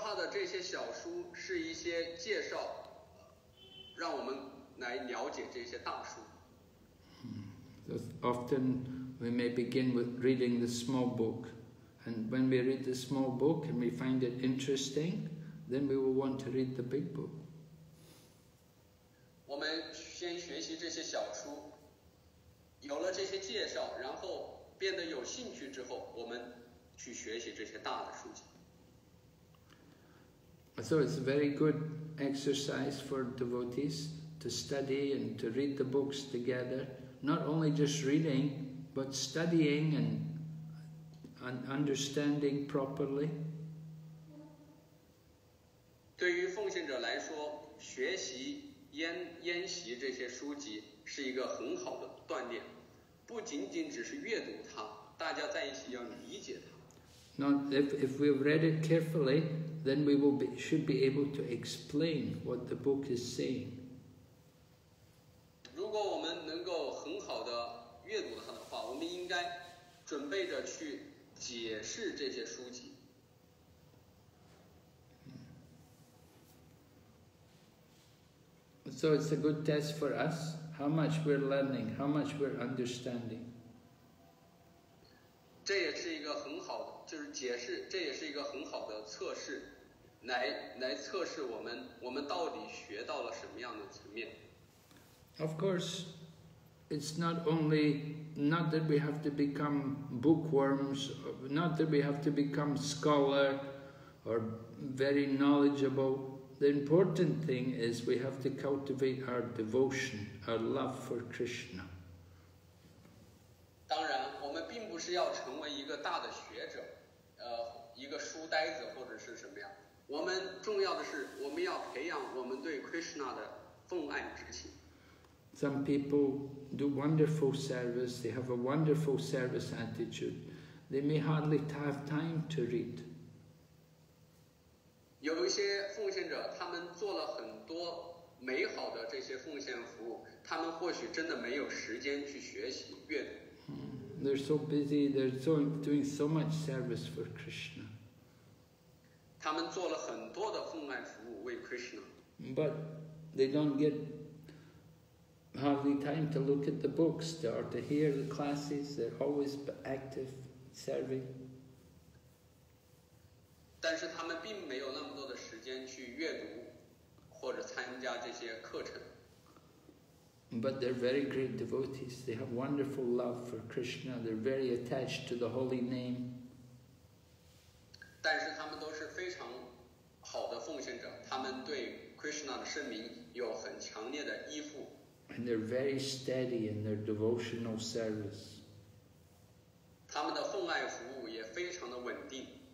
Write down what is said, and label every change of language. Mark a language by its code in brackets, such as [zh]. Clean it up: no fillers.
[zh] 这些小书是一些介绍，让我们来了解这些大书。 [en] So often we may begin with reading the small book, and when we read the small book and we find it interesting, then we will want to read the big book. [zh] 我们先学习这些小书，有了这些介绍，然后变得有兴趣之后，我们去学习这些大的书籍。 [en] So it's a very good exercise for devotees to study and to read the books together. Not only just reading, but studying and understanding properly. [zh] 对于奉献者来说，学习研习这些书籍是一个很好的锻炼。不仅仅只是阅读它，大家在一起要理解它。 [en] Now, if we've read it carefully, then we should be able to explain what the book is saying. [zh] 如果我们能够很好的阅读它的话，我们应该准备着去解释这些书籍。 [en] So it's a good test for us, how much we're learning, how much we're understanding. [zh] 这也是一个很好的，就是解释，这也是一个很好的测试，来测试我们到底学到了什么样的层面。 [en] Of course, it's not that we have to become bookworms, not that we have to become scholar or very knowledgeable. The important thing is we have to cultivate our devotion, our love for Krishna. [zh] 当然，我们并不是要成为一个大的学者，一个书呆子或者是什么样。我们重要的是，我们要培养我们对 Krishna 的奉爱之情。 [en] Some people do wonderful service. They have a wonderful service attitude. They may hardly have time to read. [zh] 有一些奉献者，他们做了很多美好的这些奉献服务，他们或许真的没有时间去学习阅读。 [en] They're so busy. They're so doing so much service for Krishna. [zh] 他们做了很多的奉爱服务为 Krishna. [en] But they don't get. Hardly time to look at the books or to hear the classes. They're always active serving. [zh] 但是他们并没有那么多的时间去阅读或者参加这些课程。 [en] But they're very great devotees. They have wonderful love for Krishna. They're very attached to the holy name. [zh] 但是他们都是非常好的奉献者，他们对 Krishna 的圣名有很强烈的依附。 [en] And they're very steady in their devotional service. [zh] 他们的奉爱服务也非常的稳定。